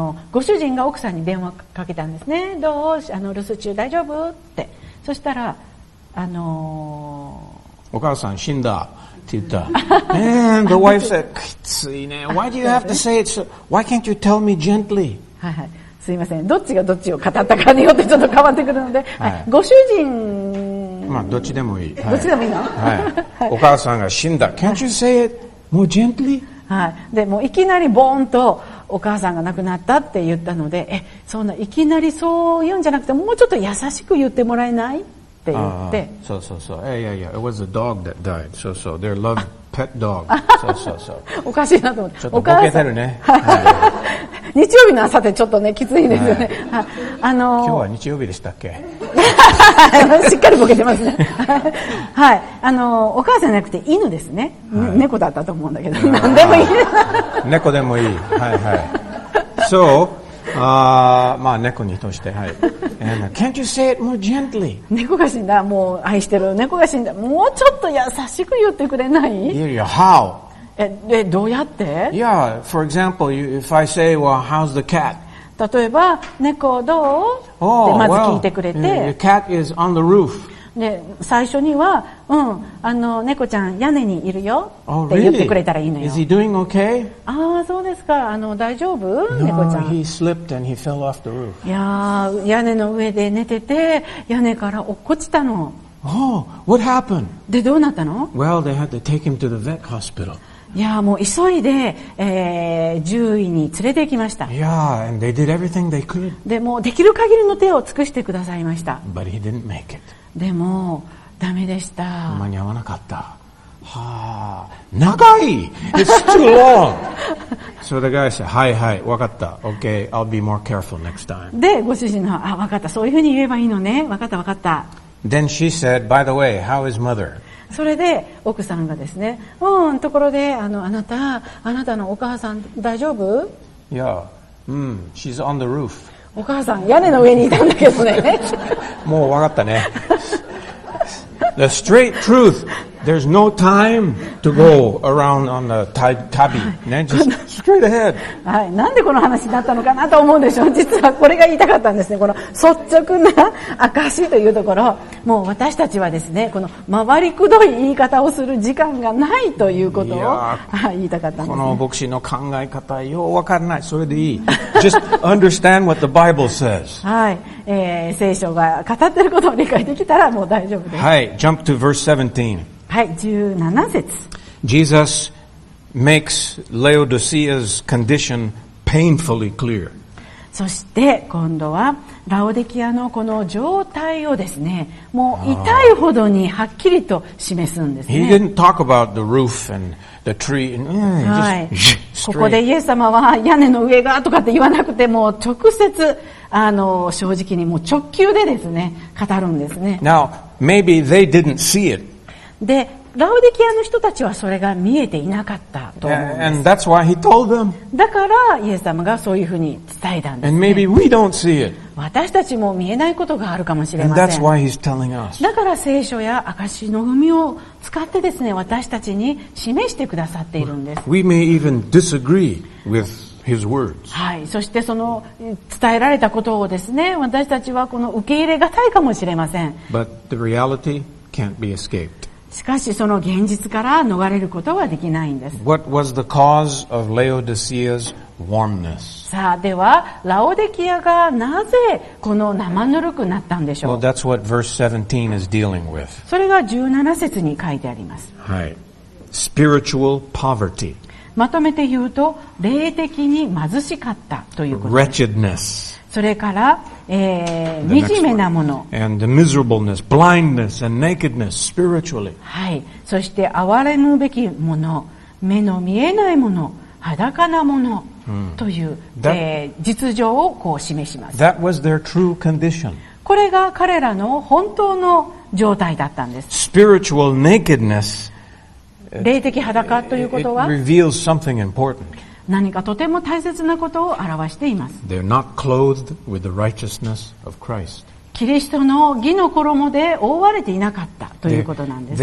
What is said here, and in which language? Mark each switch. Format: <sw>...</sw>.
<ja>ご主人が奥さんに電話かけたんですね。どう、留守中大丈夫って。そしたら、お母さん死んだって言った。</ja> <en>And the wife said,</en> <ja>きついね。</ja> <en>Why do you have to say it? So, why can't you tell me gently?</en> <ja>はいはい。すいません。どっちがどっちを語ったかによってちょっと変わってくるので。はい。ご主人、まあ、どっちでもいい。どっちでもいいの、はい、はい。お母さんが死んだ。</ja> <en>Can't you say it more gently?</en> <ja>はい、でもいきなりボーンとお母さんが亡くなったって言ったので、そんないきなりそう言うんじゃなくてもうちょっと優しく言ってもらえないって言って、そうそうそう、いやいや、</ja> <en>It was a dog that died. So so, their loved pet dog.</en> <ja>おかしいなと思って、ちょっとボケてるね。日曜日の朝ってちょっとねきついですよね、はい、今日は日曜日でしたっけしっかりボケてますねはい、お母さんじゃなくて犬ですね、はい、猫だったと思うんだけど何でもいい猫でもいい、はいはい、そうまあ猫にとして、はい、</ja> <en>Can't you say it more gently?</en> <ja>猫が死んだ、もう愛してる猫が死んだ、もうちょっと優しく言ってくれない</ja> <en>How?</en> <ja>でどうやって</ja> <en>Yeah, for example, if I say, well, how's the cat?</en> <ja>例えば、猫どう、</ja> <en>oh,</en> <ja>ってまず聞いてくれて、</ja> <en>well, the cat is on the roof.</en> <ja>で最初には、うん、猫ちゃん屋根にいるよって言ってくれたらいいのよ。</ja> <en>Is he doing okay?</en> <ja>ああ、そうですか。大丈夫、</ja> <en>no,</en> <ja>猫ちゃん。</ja> <en>He slipped and he fell off the roof.</en> <ja>いや、屋根の上で寝てて、屋根から落っこちたの。</ja> <en>Oh, what happened?</en> <ja>で、どうなったの</ja> <en>Well, they had to take him to the vet hospital.</en> <ja>いやもう急いで、獣医に連れて行きました。</ja> <en>Yeah, and they did everything they could.</en> <ja>でもできる限りの手を尽くしてくださいました。</ja> <en>But he didn't make it.</en> <ja>でもダメでした。間に合わなかった。はあ、長い。</ja> <en>It's too long. So the guy said,</en> <ja>"はいはい、わかった。</ja> <en>Okay, I'll be more careful next time."</en> <ja>でご主人のあ、わかった。そういうふうに言えばいいのね。わかったわかった。</ja> <en>Then she said, "By the way, how is mother?"</en> <ja>それで奥さんがですね、うん、ところで あなたのお母さん大丈夫？いや、うん、</ja> <en>she's on the roof。</en> <ja>お母さん屋根の上にいたんだけどね。もうわかったね。</ja> <en>The straight truth, there's no time to go around on the tabby. ね、just straight ahead.</en> <ja>はい、なんでこの話になったのかなと思うんでしょう。実はこれが言いたかったんですね。この率直な証というところ、もう私たちはですね、この回りくどい言い方をする時間がないということを言いたかったんです、ね。この牧師の考え方よくわからない。それでいい。</ja> <en>just understand what the Bible says.</en> <ja>はい。聖書が語っていることを理解できたらもう大丈夫です。</ja> <en>はい、jump to verse 17.</en> <ja>はい、17節。</ja> <en>Jesus makes Laodicea's condition painfully clear.</en> <ja>そして今度はラオデキアのこの状態をですね、もう痛いほどにはっきりと示すんですね。</ja> <en>He didn't talk about the roof and the tree. And,</en> <ja>はい。ここでイエス様は屋根の上がとかって言わなくて、もう直接正直にもう直球でですね語るんですね。</ja> <en>Now maybe they didn't see it.</en> <ja>でラオデキアの人たちはそれが見えていなかったと思うんです。</ja> <en>And that's why he told them.</en> <ja>だからイエス様がそういうふうに伝えたんですね。</ja> <en>And maybe we don't see it.</en> <ja>私たちも見えないことがあるかもしれません。</ja> <en>And that's why he's telling us.</en> <ja>だから聖書や証しの海を使ってですね私たちに示してくださっているんです。</ja> <en>We may even disagree with. His words.</en> <ja>はい、そしてその伝えられたことをですね、私たちはこの受け入れがたいかもしれません。</ja> <en>But the reality can't be escaped.</en> <ja>しかしその現実から逃れることはできないんです。</ja> <en>What was the cause of Laodicea's warmness?</en> <ja>さあ、ではラオデキアがなぜこの生ぬるくなったんでしょう。</ja> <en>Well, that's what verse 17 is dealing with.</en> <ja>それが17節に書いてあります。</ja> <en>はい、spiritual poverty.</en> <ja>まとめて言うと霊的に貧しかったということです。</ja> <en>Wretchedness.</en> <ja>それから、惨めなもの。</ja> <en>And the miserableness, blindness, and nakedness spiritually.</en> <ja>はい。そして哀れむべきもの、目の見えないもの、裸なものという、実情をこう示します。</ja> <en>That was their true condition.</en> <ja>これが彼らの本当の状態だったんです。</ja> <en>Spiritual nakedness.</en> <ja>霊的裸ということは</ja> <en>reveals something important.</en> <ja>何かとても大切なことを表しています。</ja> <en>They're not clothed with the righteousness of Christ.</en> <ja>キリストの義の衣で覆われていなかったということなんです。</ja>